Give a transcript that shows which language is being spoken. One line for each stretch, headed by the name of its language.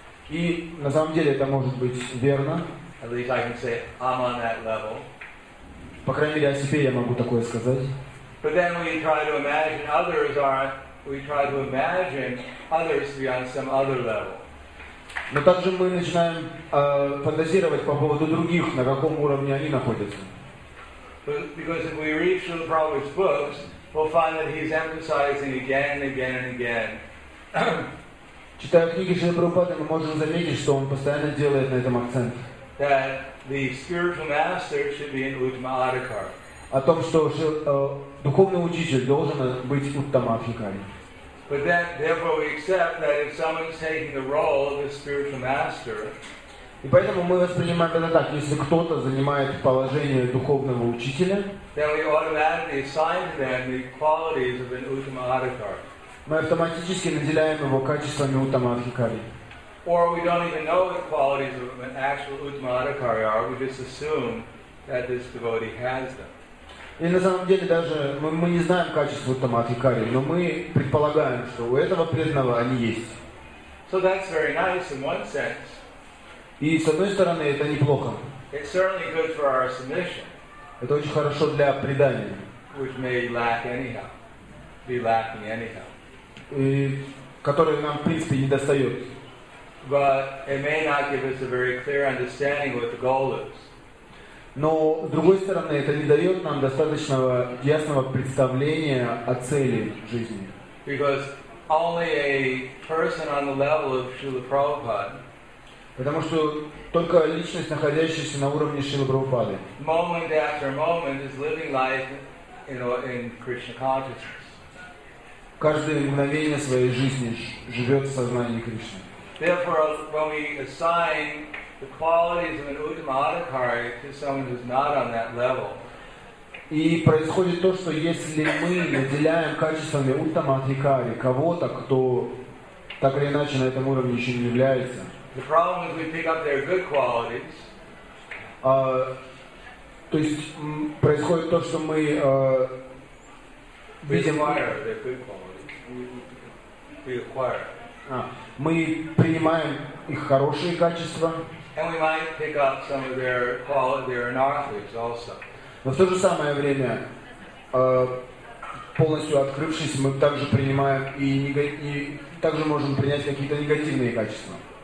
Russian: И на самом деле это может быть верно.
English: At least I can say I'm on that level.
Russian: По крайней мере, о себе я могу такое сказать.
English: But then we try to imagine others are. We try to imagine others to be on some other level.
Russian: Но также мы начинаем фантазировать по поводу других, на каком уровне они находятся.
English: Because if we read through the Prabhupada's books, we'll find that he's emphasizing again and again and again.
Russian: Читая книги Шрилы Прабхупады, мы можем заметить, что он постоянно делает на этом акцент.
English: That the spiritual master should be in Uttama Adhikara.
Russian: О том, что духовный учитель должен быть Уттама Адхикари.
English: But then, therefore, we accept that if someone's taking the role of the spiritual master.
Russian: И поэтому мы воспринимаем это так: если кто-то занимает положение духовного учителя,
English: then we automatically assign to them the qualities of an Uttama Adhikara.
Russian: Мы автоматически наделяем его качествами Уттама Адхикари.
English: Or we don't even know what qualities of an actual Uttama Adhikari are. We just assume that this devotee has them.
Russian: И на самом деле даже мы не знаем качества Уттама Адхикари, но мы предполагаем, что у этого преданного они есть.
English: So that's very nice in one sense.
Russian: И с одной стороны, это неплохо.
English: It's certainly good for our submission.
Russian: Это очень хорошо для предания.
English: Which may lack anyhow. Be lacking anyhow.
Russian: И который нам, в принципе, не достает.
English: But it may not give us a very clear understanding of what the goal is.
Russian: Но, с другой стороны, это не дает нам достаточно ясного представления о цели жизни.
English: Because only a person on the level of Srila Prabhupada.
Russian: Потому что только личность, находящаяся на уровне Шрилы Прабхупады.
English: Moment after moment is living life in Krishna consciousness.
Russian: Каждое мгновение своей жизни живет в сознании Кришны.
English: Therefore, when we assign the qualities of an Uttama Adhikari to someone who's not on that level,
Russian: и происходит то, что если мы наделяем качествами Уттама Адхикари кого-то, кто так или иначе на этом уровне еще не является,
English: the problem is we pick up their good qualities.
Russian: То есть происходит то, что мы Видим,
English: their good qualities. We acquire.
Russian: Мы принимаем их хорошие качества.
English: And we might pick up some of their quality, their anarthics also.
Russian: Но в то же самое время, полностью открывшись, мы также принимаем и также можем принять какие-то негативные качества.